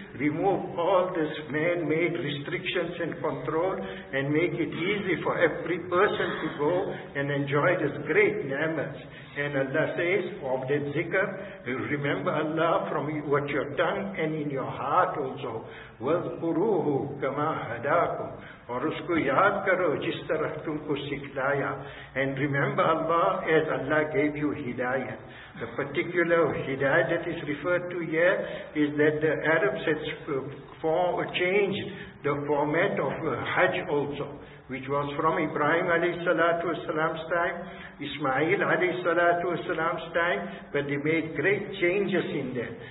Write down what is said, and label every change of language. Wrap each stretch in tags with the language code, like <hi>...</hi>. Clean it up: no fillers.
<en>Remove all this man-made restrictions and control. And make it easy for every person to go and enjoy this great ni'mat. And Allah says, of that zikr, remember Allah from what your tongue and in your heart also.</en> <ar>وَذْكُرُوهُ كَمَا هَدَاكُمْ</ar> <ur>اور اس کو یاد کرو جس طرح تم کو سکھلایا.</ur> <en>And remember Allah as Allah gave you hidayah. The particular hidayah that is referred to here is that the Arabs had changed the format of Hajj also, which was from Ibrahim alayhi salatu wasalam's time, Ismail alayhi salatu wasalam's time, but they made great changes in that.</en>